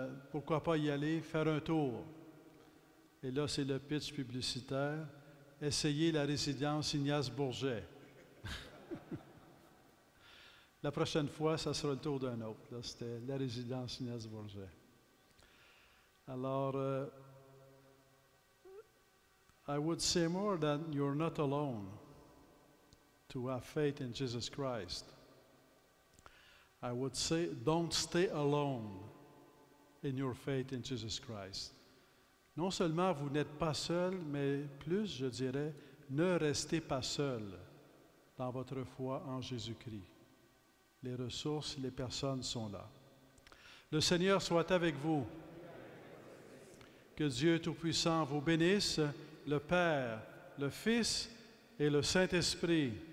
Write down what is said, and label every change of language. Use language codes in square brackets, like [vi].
[fr] Pourquoi pas y aller, faire un tour. Et là, c'est le pitch publicitaire. Essayez la résidence Ignace Bourget. La prochaine fois, ça sera le tour d'un autre. Là, c'était la résidence Ignace Bourget. Alors, [en] I would say more that you're not alone to have faith in Jesus Christ. I would say, don't stay alone in your faith in Jesus Christ. [fr] Non seulement vous n'êtes pas seul, mais plus, je dirais, ne restez pas seul dans votre foi en Jésus-Christ. Les ressources, les personnes sont là. Le Seigneur soit avec vous. Que Dieu Tout-Puissant vous bénisse, le Père, le Fils et le Saint-Esprit.